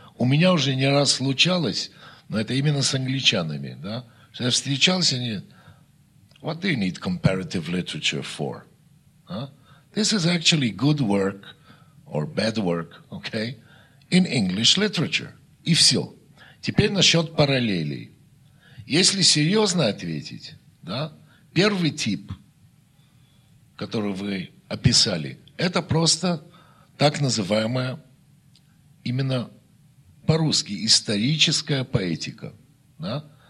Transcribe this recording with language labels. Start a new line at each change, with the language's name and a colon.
Russian: У меня уже не раз случалось, но это именно с англичанами, да? Что я встречался, они:
English: «What do you need comparative literature for? This is actually good work or bad work, okay, in English literature».
Russian: И все. Теперь насчет параллелей. Если серьезно ответить, да, первый тип которую вы описали, это просто так называемая именно по-русски историческая поэтика. Да?